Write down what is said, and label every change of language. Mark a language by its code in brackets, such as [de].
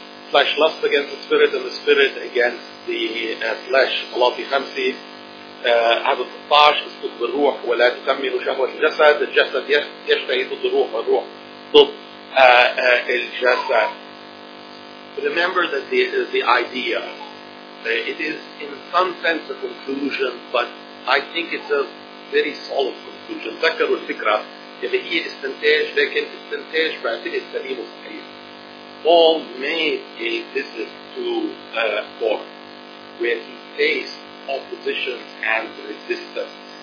[en] Flesh lusts against the spirit, and the spirit against the flesh. Galatians 5. [ar] عدد 16 اسكت بالروح ولا تكمل شهوة الجسد. الجسد يشتهي ضد الروح والروح ضد الجسد. [en] Remember that the idea, it is in some sense a conclusion, but I think it's a very solid conclusion. [ar] ذكروا الفكرة اللي هي استنتاج، لكن استنتاج بعتقد سليم وصحيح. [en] Paul made a visit to Corinth where he faced opposition and resistance.